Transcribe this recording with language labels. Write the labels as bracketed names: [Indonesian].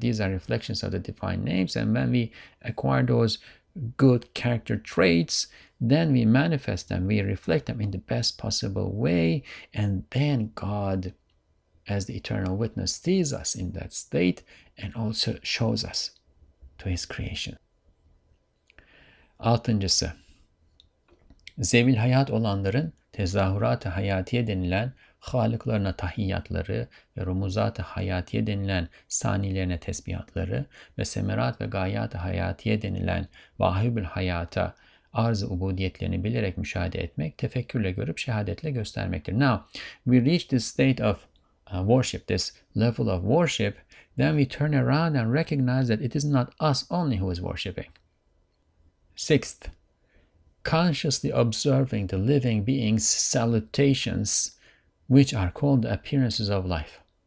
[English] These are reflections of the divine names, and when we acquire those good character traits, then we manifest them, we reflect them in the best possible way, and then God, as the eternal witness, sees us in that state and also shows us to his creation. [Turkish] Altıncısı, zevil hayat olanların tezahürat-ı hayatiye denilen halıklarına tahiyyatları ve rumuzat-ı hayatiye denilen sanilerine tesbihatları ve semerat ve gayat-ı hayatiye denilen vahibül hayata arz-ı ubudiyetlerini bilerek müşahede etmek, tefekkürle görüp şehadetle göstermektir. [English] Now, we reach this state of worship, this level of worship, then we turn around and recognize that it is not us only who is worshiping. Sixth, consciously observing the living beings' salutations, which are called the appearances of life.